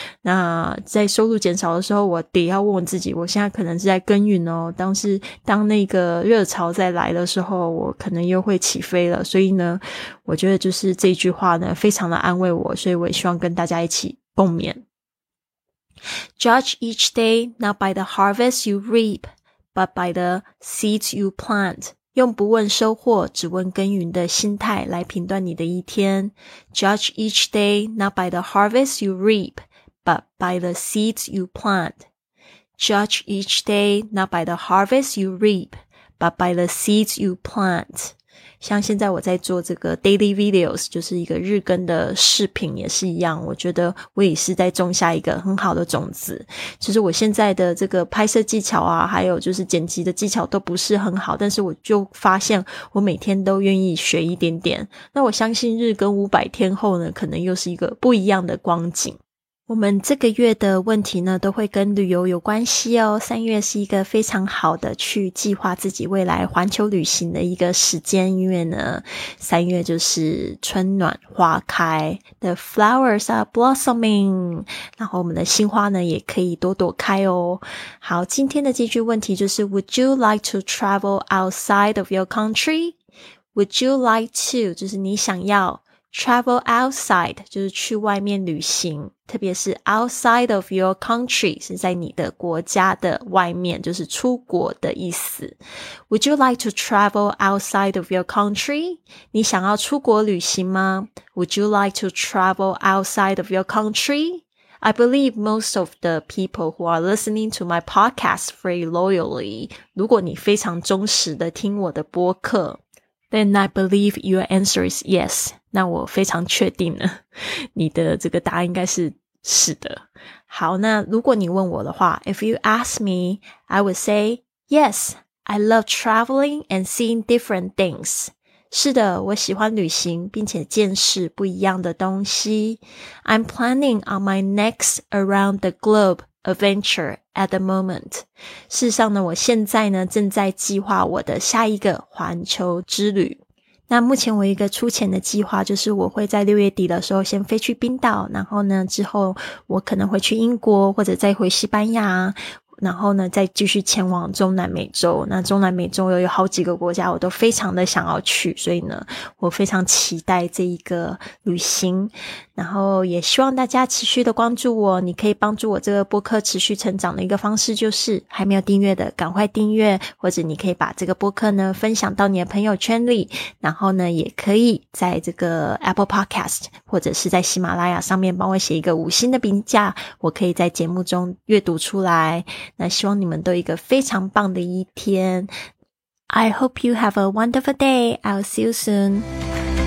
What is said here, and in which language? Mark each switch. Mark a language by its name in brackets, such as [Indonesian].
[Chinese] 那在收入减少的时候，我得要问我自己，我现在可能是在耕耘哦，当那个热潮再来的时候，我可能又会起飞了。所以呢，我觉得就是这句话呢非常的安慰我，所以我也希望跟大家一起共勉。 [English] Judge each day not by the harvest you reap, but by the seeds you plant. [Chinese] 用不问收获，只问耕耘的心态来评断你的一天。 [English] Judge each day not by the harvest you reap, but by the seeds you plant. Judge each day not by the harvest you reap, but by the seeds you plant. [Chinese] 像现在我在做这个 daily videos，就是一个日更的视频也是一样，我觉得我也是在种下一个很好的种子。其实我现在的这个拍摄技巧啊，还有就是剪辑的技巧都不是很好，但是我就发现我每天都愿意学一点点，那我相信日更500天后呢，可能又是一个不一样的光景。我们这个月的问题呢都会跟旅游有关系哦，三月是一个非常好的去计划自己未来环球旅行的一个时间，因为呢三月就是春暖花开， The flowers are blossoming，然后我们的新花呢也可以朵朵开哦。 [English] 好，今天的这句问题就是 Would you like to travel outside of your country? Would you like to 就是你想要 [Chinese] travel outside 就是去外面旅行，特别是 outside of your country 是在你的国家的外面，就是出国的意思。 [English] Would you like to travel outside of your country? [Chinese] 你想要出国旅行吗？ [English] Would you like to travel outside of your country? I believe most of the people who are listening to my podcast very loyally, 如果你非常忠实地听我的播客, then I believe your answer is yes. [Chinese] 那我非常确定了,你的这个答案应该是是的。 [English] 好,那如果你问我的话, if you ask me, I would say, yes, I love traveling and seeing different things. [Chinese] 是的，我喜欢旅行，并且见识不一样的东西。 [English] I'm planning on my next around the globe adventure at the moment. [Chinese] 事实上呢，我现在呢，正在计划我的下一个环球之旅。那目前我一个粗浅的计划就是我会在6月底的时候先飞去冰岛，然后呢，之后我可能会去英国，或者再回西班牙，然后呢再继续前往中南美洲。那中南美洲又有好几个国家我都非常的想要去，所以呢我非常期待这一个旅行，然后也希望大家持续的关注我。你可以帮助我这个播客持续成长的一个方式就是还没有订阅的赶快订阅，或者你可以把这个播客呢分享到你的朋友圈里，然后呢也可以在这个 Apple Podcast 或者是在喜马拉雅上面帮我写一个五星的评价，我可以在节目中阅读出来。 [English] 那希望你们都有一个非常棒的一天。 I hope you have a wonderful day. I'll see you soon.